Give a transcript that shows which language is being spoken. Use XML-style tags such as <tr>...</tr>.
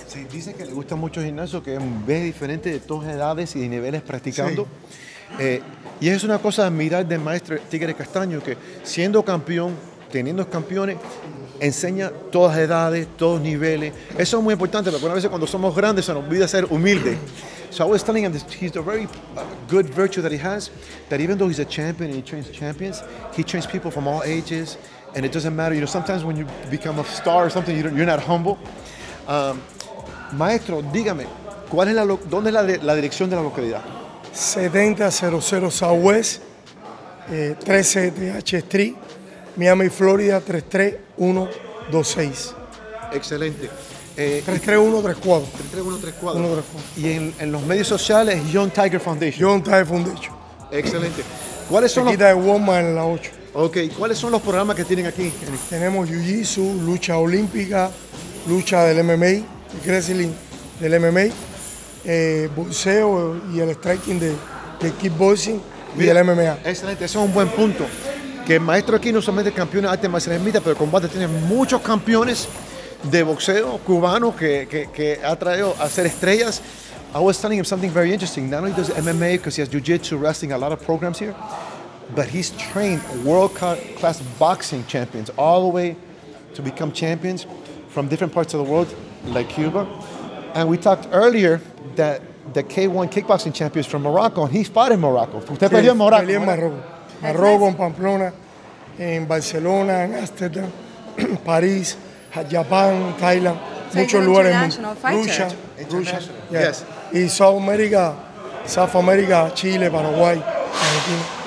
<es>Sí, dice que le gusta mucho el gimnasio, que ve diferente de todas edades y de niveles practicando. Sí. Y es una cosa admirar del maestro Tigre Castaño, que siendo campeón, teniendo campeones, enseña todas edades, todos niveles. Eso es muy importante, porque a veces cuando somos grandes se nos olvida ser humilde.</es> <en>So I was telling him that he's a very good virtue that he has, that even though he's a champion and he trains champions, he trains people from all ages, and it doesn't matter. You know, sometimes when you become a star or something, you're not humble.</en> <es>Maestro, dígame, ¿cuál es dónde es la dirección de la localidad?</es> <en>7000 Southwest, 13th Street, Miami, Florida, 33126.</en> <es>Excelente. 33134. 33134. Y en los medios sociales, Young Tiger Foundation.</es> <en>Young Tiger Foundation.</en> <es>Excelente. ¿Cuáles son aquí los...? Aquí está Walmart en la 8. Ok. ¿Cuáles son los programas que tienen aquí? Tenemos Jiu-Jitsu, lucha olímpica, lucha del MMA, wrestling del MMA, boxeo y el striking de kickboxing y bien, el MMA. Excelente. Ese es un buen punto. Que el maestro aquí no solamente es campeón de artes marciales mixtas, pero combate, tiene muchos campeones de boxeo cubano que ha traído a ser estrellas.</es> <en>I was telling him something very interesting. Not only does MMA, because he has jiu-jitsu, wrestling, a lot of programs here, but he's trained world-class boxing champions all the way to become champions from different parts of the world, like Cuba. And we talked earlier that the K-1 kickboxing champion is from Morocco, and he fought in Morocco.</en> <es>Usted sí, perdió en Morocco. Perdió en Morocco. Morocco, en Pamplona, en Barcelona, en Amsterdam, París, Japón, Tailand, so muchos lugares en el mundo. Rusia, Rusia. Yes. Y Sudamérica, South America, Chile, Paraguay, Argentina.</es>